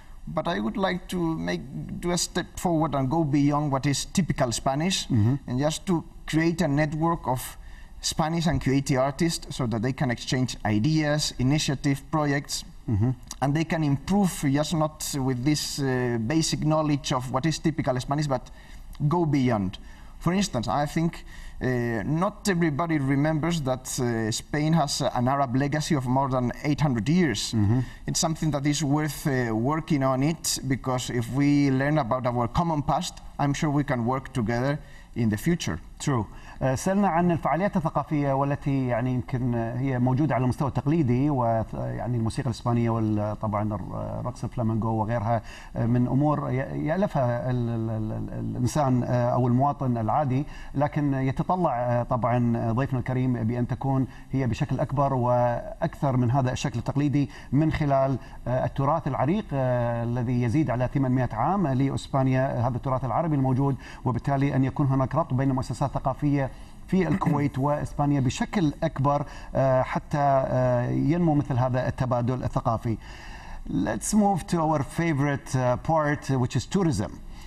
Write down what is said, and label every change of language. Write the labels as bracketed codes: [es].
[en] But I would like to do a step forward and go beyond what is typical Spanish, and just to create a network of Spanish and Kuwaiti artists so that they can exchange ideas, initiative, projects, and they can improve just not with this basic knowledge of what is typical Spanish, but go beyond. For instance, I think Not everybody remembers that Spain has an Arab legacy of more than 800 years. Mm-hmm. It's something that is worth working on it, because if we learn about our common past, I'm sure we can work together in the future. True. [ar] سألنا عن الفعاليات الثقافية والتي يعني يمكن هي موجودة على المستوى التقليدي، ويعني الموسيقى الإسبانية وطبعا رقص الفلامنغو وغيرها من أمور يألفها الإنسان أو المواطن العادي، لكن يتطلع طبعا ضيفنا الكريم بأن تكون هي بشكل أكبر وأكثر من هذا الشكل التقليدي من خلال التراث العريق الذي يزيد على 800 عام لإسبانيا، هذا التراث العربي الموجود، وبالتالي أن يكون هناك ربط بين المؤسسات الثقافية في الكويت وإسبانيا بشكل أكبر حتى ينمو مثل هذا التبادل الثقافي. [en] Let's move to our favorite part, which is tourism.